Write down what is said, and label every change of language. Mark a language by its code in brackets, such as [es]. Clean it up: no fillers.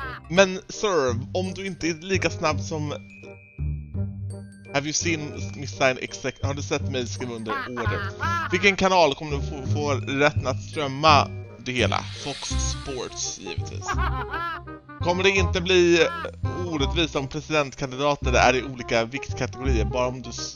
[sv] Men sir, om du inte är lika snabb som... [en] Have you seen me sign exact... [sv] Har du sett mig skriva under order? Vilken kanal kommer du få rätten att strömma det hela? Fox Sports, givetvis. Kommer det inte bli orättvist om presidentkandidater är i olika viktkategorier? Bara om du...